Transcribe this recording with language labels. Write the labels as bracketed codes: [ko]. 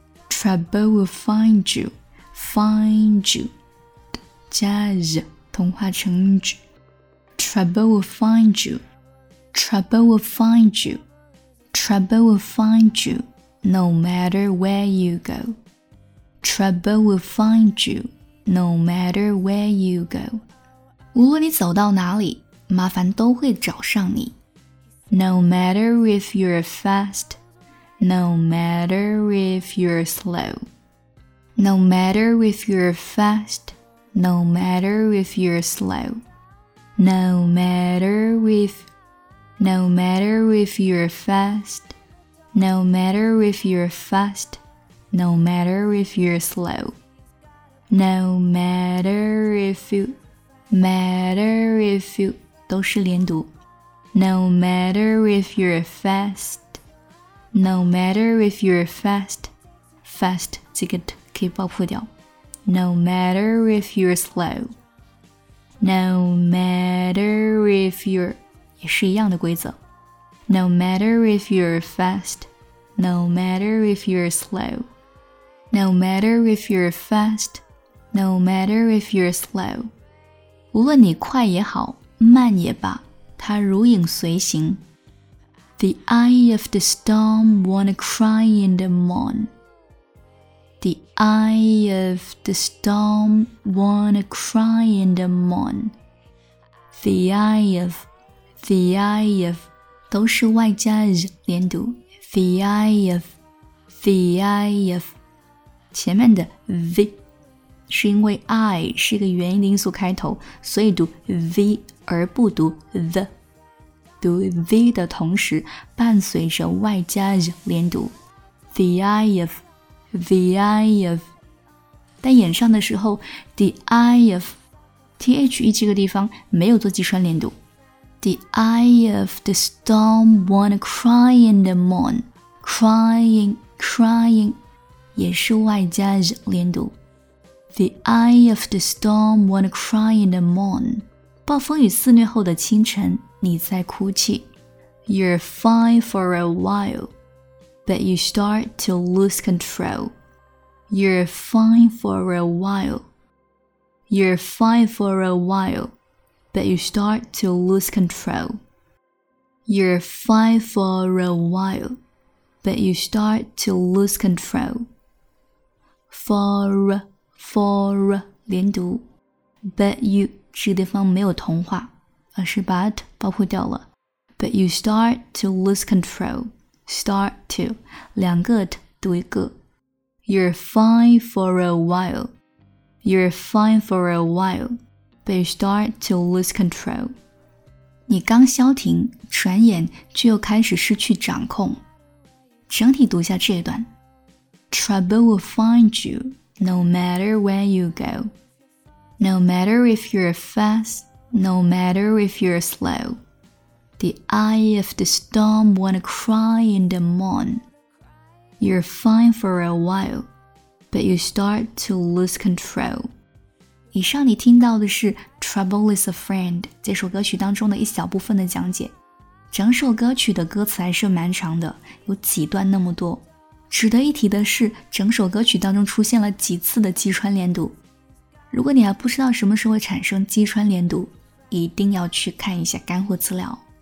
[en] Trouble will find you, find you. [zh] 加 z 同化成 j. [en] Trouble will find you, trouble will find you, trouble will find you no matter where you go. Trouble will find you. No matter where you go. [zh] 无论你走到哪里，麻烦都会找上你。 [en] No matter if you're fast, no matter if you're slow. No matter if you're fast, no matter if you're slow. No matter if, no matter if you're fast, no matter if you're fast, no matter if you're slow. No matter if you, matter if you, [zh] 都是连读。 [en] No matter if you're fast, no matter if you're fast, fast [zh] 这个 t 可以爆破掉。 [en] No matter if you're slow, no matter if you're, [zh] 也是一样的规则。 [en] No matter if you're fast, no matter if you're slow, no matter if you're fast,No matter if you're slow. [zh] 无论你快也好，慢也罢，它如影随形。 [en] The eye of the storm wanna cry in the morn. The eye of the storm wanna cry in the morn. The eye of, the eye of, [zh] 都是外加 z 连读。 [en] The eye of, the eye of, [zh] 前面的 the,是因为 I 是一个元音的音素开头，所以读 the 而不读 the， 读 the 的同时伴随着外加 z 连读 [en] the eye of the eye of， [zh] 但演唱的时候 [en] the eye of the [zh] 这个地方没有做击穿连读 [en] the eye of the storm wanna cry in the morn crying crying [zh] 也是外加 z 连读。 [en] The eye of the storm wanna cry in the morn. [zh] 暴风雨肆虐后的清晨，你在哭泣。 [en] You're fine for a while, but you start to lose control. You're fine for a while. You're fine for a while, but you start to lose control. You're fine for a while, but you start to lose control. For 连读 But you [zh] 这个地方没有同化而是 [en] but 包括掉了 But you start to lose control Start to [zh] 两个 t 读一个 [en] You're fine for a while You're fine for a while But you start to lose control [zh] 你刚消停转眼却又开始失去掌控整体读一下这一段 [en] Trouble will find youNo matter where you go. No matter if you're fast, no matter if you're slow. The eye of the storm wanna cry in the morn. You're fine for a while, but you start to lose control. [zh] 以上你听到的是 Trouble is a Friend 这首歌曲当中的一小部分的讲解。整首歌曲的歌词还是蛮长的，有几段那么多。值得一提的是，整首歌曲当中出现了几次的击穿连读。如果你还不知道什么时候产生击穿连读，一定要去看一下干货资料。